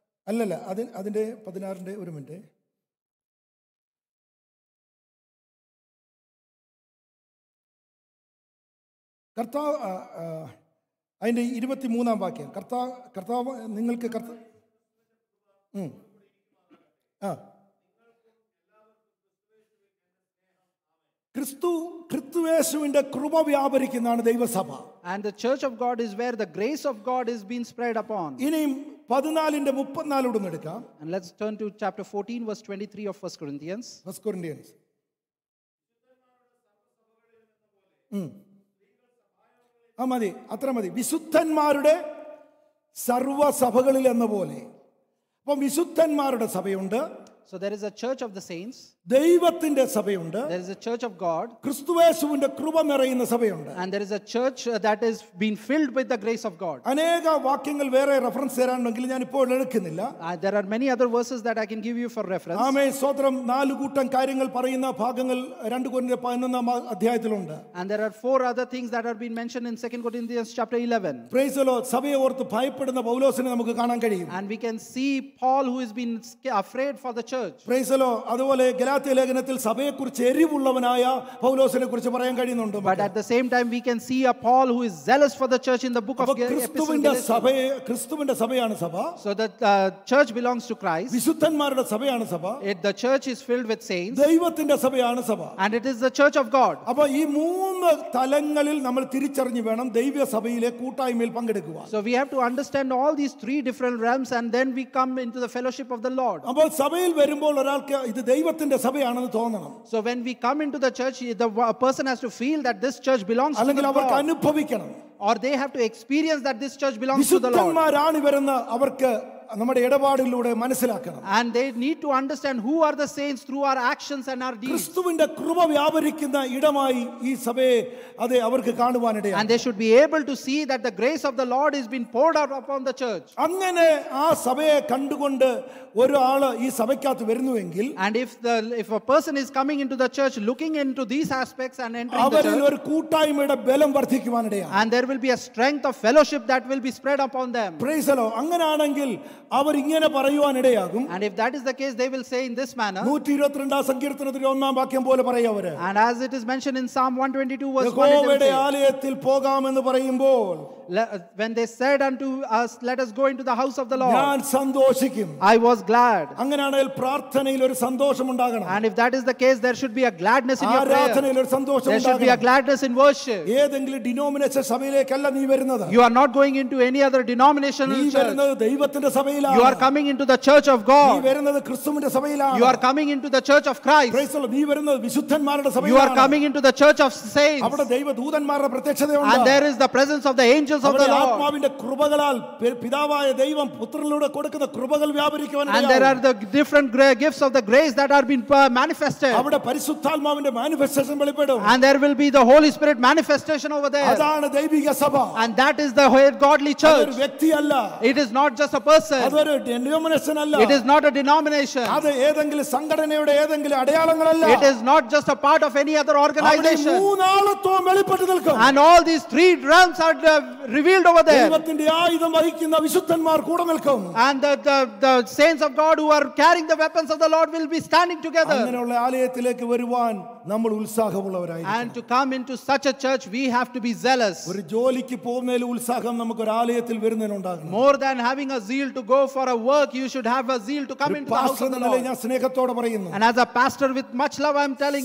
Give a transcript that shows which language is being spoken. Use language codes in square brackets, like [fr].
[ml] അല്ലല്ല അതിന്റെ പതിനാറിന്റെ ഒരു മിനിറ്റ് കർത്താവ് അതിന്റെ 23-ാം വാക്യം കർത്താവ് നിങ്ങൾക്ക് ക്രിസ്തുവേശുവിന്റെ കൃപ വ്യാപരിക്കുന്നതാണ് ദൈവസഭ. [en] And the church of God is where the grace of God is being spread upon. [ml] ഇനിയും 14-ന്റെ 34 ഉടൻ എടുക്കാം. [en] And let's turn to chapter 14 verse 23 of 1 Corinthians. [ml] അമതി അത്ര മതി വിശുദ്ധന്മാരുടെ സർവസഭകളിൽ എന്ന പോലെ അപ്പം വിശുദ്ധന്മാരുടെ സഭയുണ്ട്. [en] So there is a church of the saints. [ml] ദൈവത്തിന്റെ സഭയുണ്ട്. [en] There is a church of God. [ml] ക്രിസ്തുയേശുവിന്റെ കൃപ നിറയുന്ന സഭയുണ്ട്. [en] And there is a church that is being filled with the grace of God. [ml] അനേക വാക്യങ്ങൾ വേറെ റഫറൻസ് തരാനുണ്ടെങ്കിൽ ഞാൻ ഇപ്പോൾ എടുക്കുന്നില്ല. [en] There are many other verses that I can give you for reference. [ml] ആമേൻ. സ്തോത്രം. നാല് കൂട്ടം കാര്യങ്ങൾ പറയുന്ന ഭാഗങ്ങൾ 2 കൊരിന്ത്യർ 11 അധ്യായത്തിലുണ്ട്. [en] And there are four other things that are being mentioned in 2 Corinthians chapter 11. Praise the Lord. [ml] സഭയെ ഓർത്ത് ഭയപ്പെടുന്ന പൗലോസിനെ നമുക്ക് കാണാൻ കഴിയും. [en] And we can see Paul who has been afraid for the church. Praise the Lord. [ml] അതുപോലെ ഗലാത്യ ലേഖനത്തിൽ സഭയെക്കുറിച്ച് എരിവുള്ളവനായ പൗലോസിനെ കുറിച്ച് പറയാൻ കഴിയുന്നുണ്ട്. [en] But at the same time we can see a Paul who is zealous for the church in the book of [ml] ക്രിസ്തുവിന്റെ സഭയാണ് സഭ. [en] So that church belongs to Christ. [ml] വിശുദ്ധന്മാരുടെ സഭയാണ് സഭ. [en] The church is filled with saints. [ml] ദൈവത്തിന്റെ സഭയാണ് സഭ. [en] And it is the church of God. [ml] അപ്പോൾ ഈ മൂന്ന് തലങ്ങളിൽ നമ്മൾ തിരിച്ചറിഞ്ഞു വേണം ദൈവീയ സഭയിലെ കൂട്ടായ്മയിൽ പങ്കെടുക്കുവാൻ. [en] So we have to understand all these three different realms and then we come into the fellowship of the Lord. [ml] അപ്പോൾ സഭയിൽ വരുമ്പോൾ ഒരാൾക്ക് ഇത് ദൈവത്തിന്റെ സഭയാണെന്ന് തോന്നണം. [en] So when we come into the church the person has to feel that this church belongs to [ml] അല്ലെങ്കിൽ അവർക്ക് അനുഭവിക്കണം. [en] Or they have to experience that this church belongs to the Lord. [ml] വിശുദ്ധന്മാരാണ് ഇവരെന്ന് അവർക്ക് നമ്മുടെ ഇടപാടിലൂടെ മനസ്സിലാക്കണം. [en] And they need to understand who are the saints through our actions and our deeds. [ml] ക്രിസ്തുവിന്റെ കൃപ വ്യാപരിക്കുന്ന ഇടമായി ഈ സഭയെ അതെ അവർക്ക് കാണുവാനിടയാണ്. [en] And they should be able to see that the grace of the Lord has been poured out upon the church. [ml] അങ്ങനെ ആ സഭയെ കണ്ടുകൊണ്ട് ഒരാൾ ഈ സഭയ്ക്കകത്ത് വരുന്നുവെങ്കിൽ [en] if a person is coming into the church looking into these aspects and entering the [ml] church, അവരിൽ ഒരു കൂട്ടായ്മയുടെ ബലം വർദ്ധിക്കുവാനിടയാണ്. [en] And there will be a strength of fellowship that will be spread upon them. Praise the Lord. [ml] അങ്ങനാണെങ്കിൽ അവർ ഇങ്ങനെ പറയുവാനിടയാകും. [en] And if that is the case they will say in this manner. [ml] 122 സങ്കീർത്തനത്തിന്റെ 1-ാം വാക്യം പോലെ പറയും അവർ. [en] And as it is mentioned in Psalm 122 verse 1, [ml] യഹോവയുടെ ആലയത്തിൽ പോകാം എന്ന് പറയുമ്പോൾ [en] when they said unto us let us go into the house of the Lord, [ml] ഞാൻ സന്തോഷിക്കും. [en] I was glad. [ml] അങ്ങനെയാണെങ്കിൽ പ്രാർത്ഥനയിൽ ഒരു സന്തോഷം ഉണ്ടാകണം. [en] And if that is the case there should be a gladness in your prayer. [ml] ആരാധനയിൽ ഒരു സന്തോഷം ഉണ്ടാകണം. [en] There should be a gladness in worship. [ml] ഏതെങ്കിലും ഡിനോമിനേഷൻ സഭയിലേക്കല്ല നീ വരുന്നത്. [en] You are not going into any other denominational church. [ml] നീ വരുന്നത് ദൈവത്തിന്റെ സഭയിലാണ്. [en] You are coming into the church of God. [ml] നീ വരുന്നത് ക്രിസ്തുവിന്റെ സഭയിലാണ്. [en] You are coming into the church of Christ. Praise the Lord. [ml] നീ വരുന്നത് വിശുദ്ധന്മാരുടെ സഭയിലാണ്. [en] You are coming into the church of saints. [ml] അവിടെ ദൈവദൂതന്മാരുടെ പ്രത്യക്ഷതയുണ്ട്. [en] And there is the presence of the angels of the Lord. [ml] ആത്മാവിന്റെ കൃപകളാൽ പിതാവായ ദൈവം പുത്രനിലൂടെ കൊടുക്കുന്ന കൃപകൾ വ്യാപരിക്കുവാൻ. [en] And there are the different gifts of the grace that are been manifested. [ml] അവിടെ പരിശുദ്ധാത്മാവിന്റെ manifestation വെളിപ്പെടും. [en] And there will be the Holy Spirit manifestation over there. [ml] അതാണ് ദൈവിക സഭ. [en] And that is the godly church. [ml] അതൊരു വ്യക്തിയല്ല. [en] It is not just a person. [ml] അതൊരു denomination അല്ല. [en] It is not a denomination. [ml] അത് ഏതെങ്കിലും സംഘടനയുടെ ഏതെങ്കിലും അടയാളങ്ങളല്ല. [en] It is not just a part of any other organization. [ml] അവിടെ മൂന്നാളത്വം വെളിപ്പെട്ടു നിൽക്കും. [en] And all these three realms are revealed over there. [ml] ദൈവത്തിന്റെ ആയുധം വഹിക്കുന്ന വിശുദ്ധന്മാർ കൂടെ നിൽക്കും. [en] And the saints of God who are carrying the weapons of the Lord will be standing together. [ml] അങ്ങനെയുള്ള ആലയത്തിലേക്ക് വരുവാൻ നമ്മൾ ഉത്സാഹമുള്ളവരായിരിക്കണം. [en] And to come into such a church we have to be zealous. [ml] ഒരു ജോലിക്ക് പോകുന്നതിൽ ഉത്സാഹം നമുക്ക് ഒരു ആലയത്തിൽ വരുന്നതിനുണ്ടാകണം. [en] More than having a zeal to go for a work you should have a zeal to come into the house of the Lord. [ml] ഞാൻ സ്നേഹത്തോടെ പറയുന്നു. [en] And as a pastor with much love I'm telling